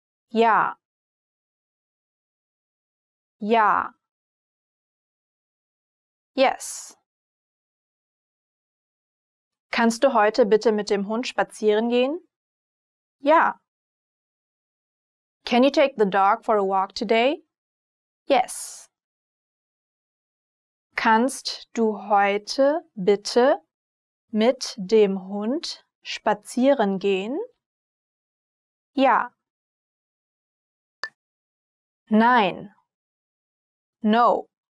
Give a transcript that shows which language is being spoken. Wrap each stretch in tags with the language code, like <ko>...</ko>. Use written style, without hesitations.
<en>Yeah. Yeah. Yes.</en> <de>Kannst du heute bitte mit dem Hund spazieren gehen? Ja.</de> <en>Can you take the dog for a walk today? Yes.</en> <de>Kannst du heute bitte mit dem Hund spazieren gehen? Ja. Nein.</de> <en>No.</en>